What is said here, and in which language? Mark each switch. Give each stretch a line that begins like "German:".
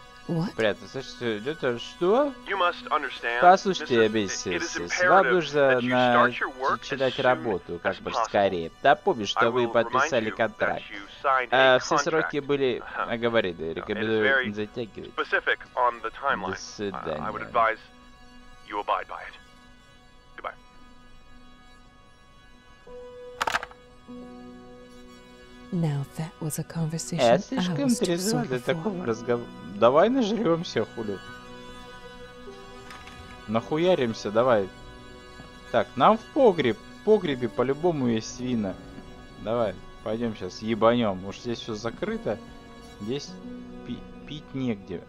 English: What?
Russian: Приятно слышать, что идет. Что?
English: You must understand.
Russian: Послушайте, миссис, вам нужно начинать работу как бы скорее. Да, помню, что вы подписали контракт. Все сроки были оговорены. Рекомендую не затягивать.
English: Specific on the timeline.
Russian: До свидания.
English: I would advise you abide by it. Goodbye. Now that was a conversation.
Russian: Это слишком трезво для такого разговора. Давай нажрёмся, хули. Нахуяримся, давай. Так, нам в погреб. В погребе по-любому есть свина. Давай, пойдем сейчас ебанем. Может, здесь все закрыто? Здесь пить негде.